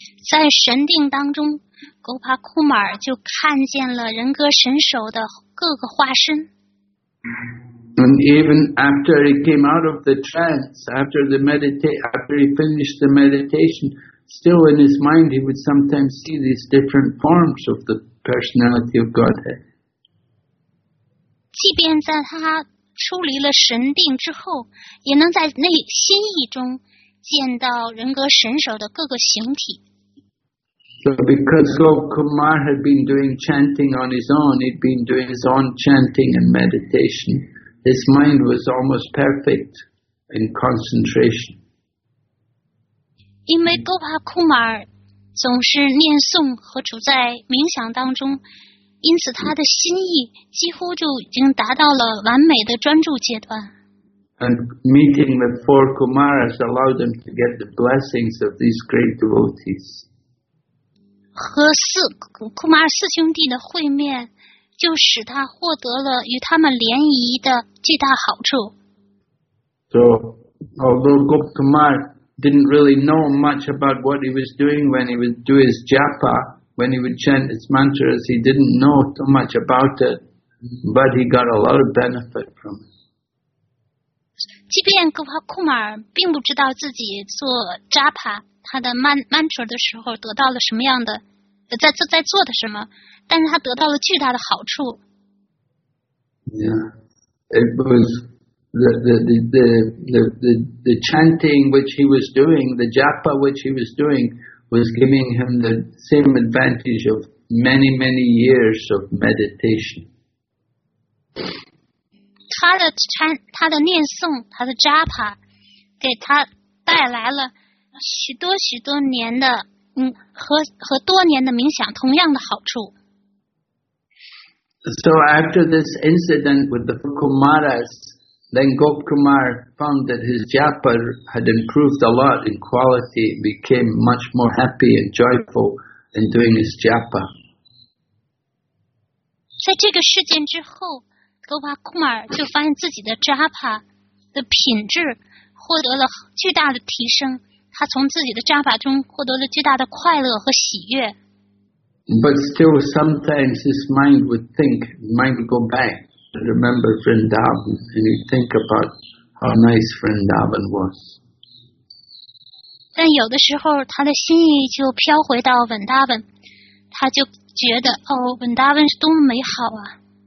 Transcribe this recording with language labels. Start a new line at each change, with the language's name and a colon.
Chinese: 在神定当中，Gopa Kumar 就看见了人格神手的各个化身。
English: And even after he came out of the trance, after he finished the meditation, still in his mind he would sometimes see these different forms of the personality of Godhead.
Chinese: 即便在他出离了神定之后，也能在内心意中见到人格神手的各个形体。
English: So because Gop Kumar had been doing chanting on his own, he'd been doing his own chanting and meditation. His mind was almost perfect in concentration.
Chinese: 因为 Gop Kumar 总是念诵和处在冥想当中，因此他的心意几乎就已经达到了完美的专注阶段。
English: And meeting the four Kumaras allowed him to get the blessings of these great devotees.
Chinese: 和四库马尔四兄弟的会面，就使他获得了与他们联谊的巨大好处。
English: So, although Gop Kumar didn't really know much about what he was doing when he would do his japa, when he would chant his mantras, he didn't know so much about it, but he got a lot of benefit from it.
Chinese: 即便戈帕库马尔并不知道自己做扎帕他的曼陀的时候得到了什么样的在做的什么，但是他得到了巨大的好处。
English: Yeah, it was the chanting which he was doing, the japa which he was doing, was giving him the same advantage of many, many years of meditation.
Chinese: 他的念诵，他的japa，给他带来了许多许多年的和多年的冥想同样的好处。
English: So after this incident with the Kumaras, then Gop Kumar found that his japa had improved a lot in quality, became much more happy and joyful in doing his japa.
Chinese: 在这个事件之后，戈帕库马尔就发现自己的japa的品质获得了巨大的提升，他从自己的japa中获得了巨大的快乐和喜悦。
English: But still, sometimes his mind would think, mind would go back, remember Vrindavan, and he'd think about how nice Vrindavan was.
Chinese: 但有的时候，他的心意就飘回到 Vrindavan， 他就觉得，哦， Vrindavan 是多么美好啊。